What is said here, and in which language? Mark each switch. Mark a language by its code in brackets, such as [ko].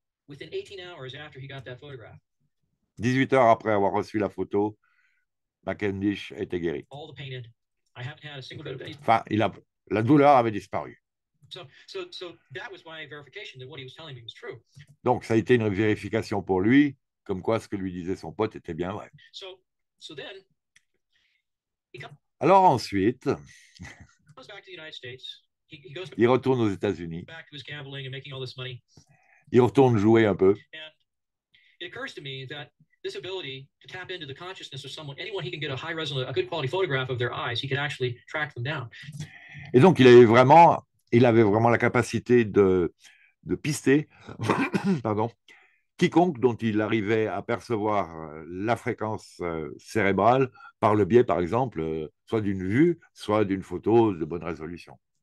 [en] Within 18 hours after he got that photograph. [fr] 18 heures après avoir reçu la photo, McIndish était guéri. [en] All the pain had, I haven't had a single bit of pain. [fr] Enfin, la douleur avait disparu. [en] So that was my verification that what he was telling me was true. [fr] Donc, ça a été une vérification pour lui, comme quoi ce que lui disait son pote était bien vrai. [en] So then, [fr] alors ensuite, [en] he goes back to the United States. [fr] Il retourne aux États-Unis. [en] Back to his gambling and making all this money. [fr] Il retourne jouer un peu. [en] And it occurs to me that this ability to tap into the consciousness of someone, anyone he can get a high resolution, a good quality photograph of their eyes, he can actually track them down. [fr] Et donc il avait vraiment la capacité de pister pardon, quiconque dont il arrivait à percevoir la fréquence cérébrale par le biais, par exemple, soit d'une vue, soit d'une photo de bonne résolution.